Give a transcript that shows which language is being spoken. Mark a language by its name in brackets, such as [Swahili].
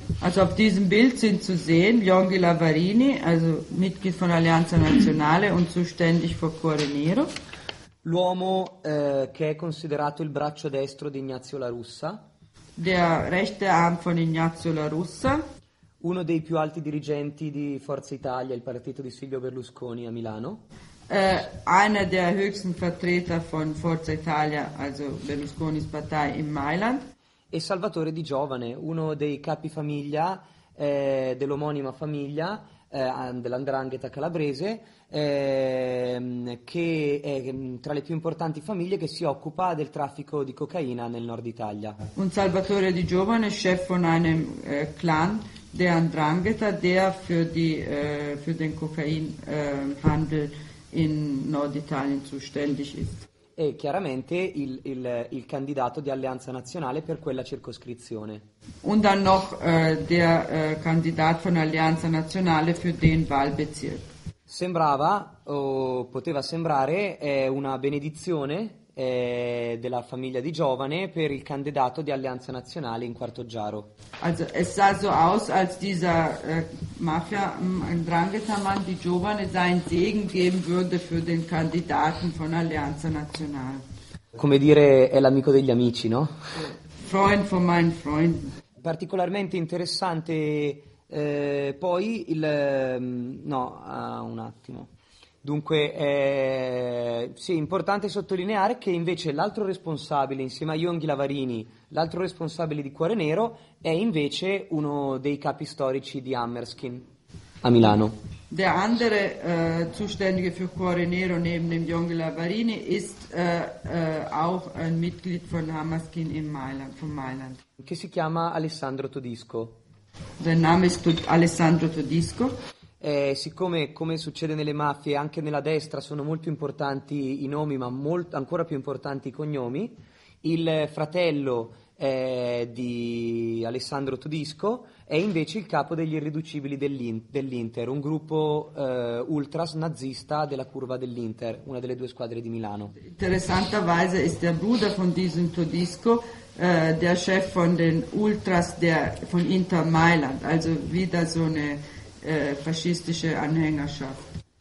[German] Also auf diesem Bild sind zu sehen Yonghi Lavarini, also Mitglied von Allianza Nazionale und zuständig für Cuore Nero. [Italian] L'uomo che è considerato il braccio destro di Ignazio La Russa. [German] Der rechte Arm von Ignazio La Russa. [Italian] Uno dei più alti dirigenti di Forza Italia, il partito di Silvio Berlusconi a Milano. [German] Einer der höchsten Vertreter von Forza Italia, also Berlusconis Partei in Mailand. [Italian] E Salvatore Di Giovane, uno dei capi famiglia dell'omonima famiglia dell'Andrangheta calabrese, che è tra le più importanti famiglie che si occupa del traffico di cocaina nel nord Italia. [German] Un Salvatore Di Giovane, chef von einem clan der Andrangheta, der für den Kokainhandel in Nord Italien zuständig ist. [Italian] E chiaramente il candidato di Allianza Nazionale per quella circoscrizione. [German] Und dann noch der Kandidat von Allianza Nazionale für den Wahlbezirk. [Italian] Sembrava o poteva sembrare una benedizione della famiglia Di Giovane per il candidato di Allianza Nazionale in Quarto Giaro. [German] Also es sah so aus, als dieser Mafia Ndrangheta Mann Di Giovane sein Segen geben würde für den Kandidaten von Allianza Nazionale. [Italian] Come dire, è l'amico degli amici, no? [German] Freund von meinen Freunden. [Italian] Particolarmente interessante poi il no, un attimo. Dunque, sì, importante sottolineare che invece l'altro responsabile, insieme a Yonghi Lavarini, l'altro responsabile di Cuore Nero, è invece uno dei capi storici di Hammerskin a Milano. [German] Der andere zuständige für Cuore Nero neben dem Yonghi Lavarini ist auch ein Mitglied von Hammerskin in Mailand, von Mailand. [Italian] Che si chiama Alessandro Todisco. [German] Sein Name ist Alessandro Todisco. [Italian] Siccome, come succede nelle mafie, anche nella destra sono molto importanti i nomi, ma ancora più importanti i cognomi, il fratello di Alessandro Todisco, è invece il capo degli Irriducibili dell'Inter, un gruppo ultras nazista della curva dell'Inter, una delle due squadre di Milano. [German] Interessante weise ist der Bruder von diesem Todisco, der Chef von den Ultras von Inter Mailand, also wieder so eine faschistische Anhängerschaft.